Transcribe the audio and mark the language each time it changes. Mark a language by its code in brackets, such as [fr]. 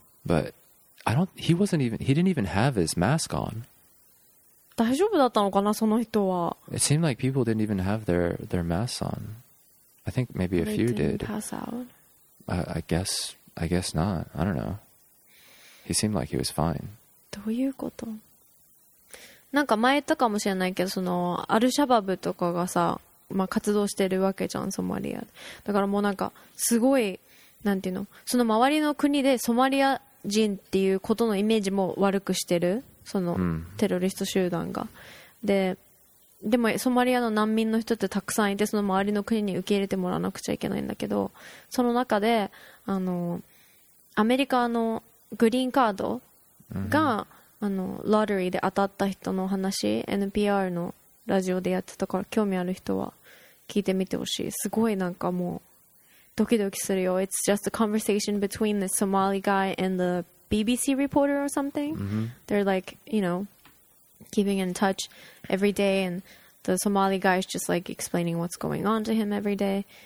[en] But he didn't even have his mask on. [ja] 大丈夫だったのかな、その人は。 [en] It seemed like people didn't even have their masks on. I think maybe a few did. They didn't pass out. I guess not. I don't know. He seemed like he was fine. [ja] どういうこと? なんか前言ったかもしれないけど、そのアルシャバブとかがさ、まあ活動してるわけじゃん、ソマリア。だからもうなんかすごい、なんていうの、その周りの国でソマリア人っていうことのイメージも悪くしてる。そのテロリスト集団が、でもソマリアの難民の人ってたくさんいて、その周りの国に受け入れてもらわなくちゃいけないんだけど、その中であのアメリカのグリーンカードが、うん、あのロッテリーで当たった人の話、 NPR のラジオでやってたから、興味ある人は聞いてみてほしい。すごいなんかもうドキドキするよ。 [en] It's just a conversation between the Somali guy and theBBC reporter or something. Mm-hmm. They're like, you know, keeping in touch every day, and the Somali guy is just like explaining what's going on to him every day.